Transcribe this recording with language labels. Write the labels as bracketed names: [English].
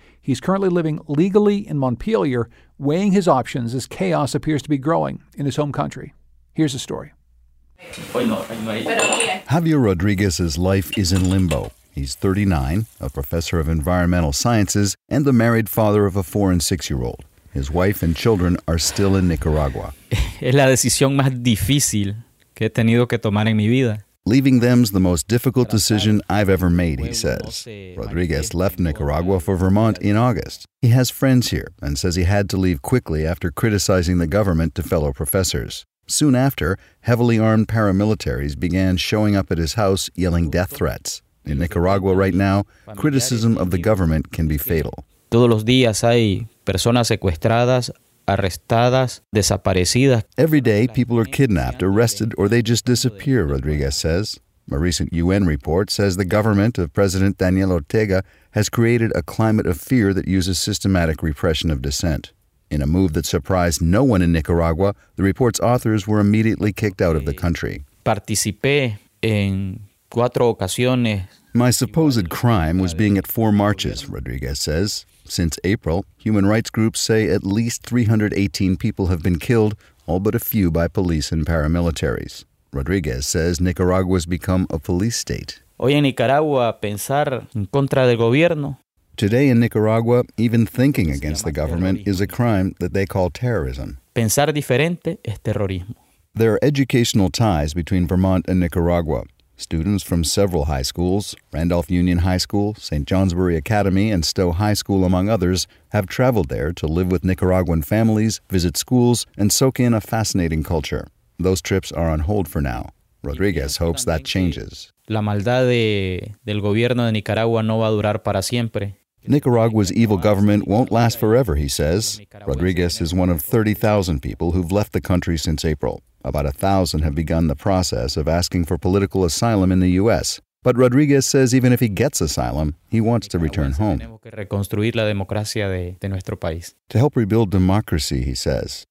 [English] He's currently living legally in Montpelier, weighing his options as chaos appears to be growing in his home country. Here's the story. Javier Rodriguez's life is in limbo. He's 39, a professor of environmental sciences, and the married father of a 4 and 6-year-old. His wife and children are still in Nicaragua. [Spanish] Es la decisión más difícil que he tenido que tomar en mi vida. [English] Leaving them's the most difficult decision I've ever made, he says. Rodriguez left Nicaragua for Vermont in August. He has friends here and says he had to leave quickly after criticizing the government to fellow professors. Soon after, heavily armed paramilitaries began showing up at his house yelling death threats. In Nicaragua right now, criticism of the government can be fatal. [Spanish] Todos los días hay personas secuestradas, arrestadas, desaparecidas. [English] Every day, people are kidnapped, arrested, or they just disappear, Rodriguez says. A recent UN report says the government of President Daniel Ortega has created a climate of fear that uses systematic repression of dissent. In a move that surprised no one in Nicaragua, the report's authors were immediately kicked out of the country. [Spanish] Participé en cuatro ocasiones. [English] My supposed crime was being at 4 marches, Rodriguez says. Since April, human rights groups say at least 318 people have been killed, all but a few by police and paramilitaries. Rodriguez says Nicaragua's become a police state. [Spanish] Hoy en Nicaragua, pensar en contra del gobierno. [English] Today in Nicaragua, even thinking against the government is a crime that they call terrorism. [Spanish] Pensar diferente es terrorismo. [English] There are educational ties between Vermont and Nicaragua. Students from several high schools, Randolph Union High School, St. Johnsbury Academy, and Stowe High School, among others, have traveled there to live with Nicaraguan families, visit schools, and soak in a fascinating culture. Those trips are on hold for now. Rodriguez hopes that changes. [Spanish] La maldad del gobierno de Nicaragua no va a durar para siempre. [English] Nicaragua's evil government won't last forever, he says. Rodriguez is one of 30,000 people who've left the country since April. About 1,000 have begun the process of asking for political asylum in the U.S. But Rodriguez says even if he gets asylum, he wants to return home. To help rebuild democracy, he says.